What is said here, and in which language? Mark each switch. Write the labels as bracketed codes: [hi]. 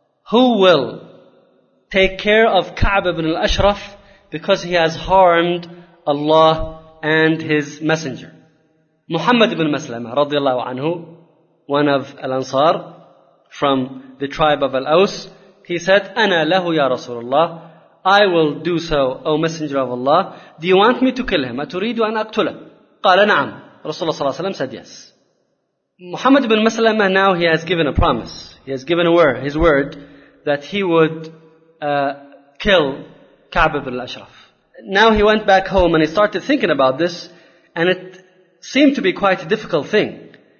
[en] Who will take care of Ka'b ibn al-Ashraf because he has harmed Allah and his messenger? Muhammad ibn Maslama radiallahu anhu, one of al-Ansar from the tribe of al-Aus, he said, [ar] أَنَا لَهُ يَا رَسُولَ اللَّهُ, [en] I will do so, O Messenger of Allah. Do you want me to kill him? [ar] أتريدوا أن أقتله؟ قال نعم. Rasulullah صلى الله عليه وسلم [en] said yes. Muhammad ibn Maslamah, now he has given a promise. He has given a word, his word, that he would kill Ka'b ibn al-Ashraf. Now he went back home and he started thinking about this, and it seemed to be quite a difficult thing.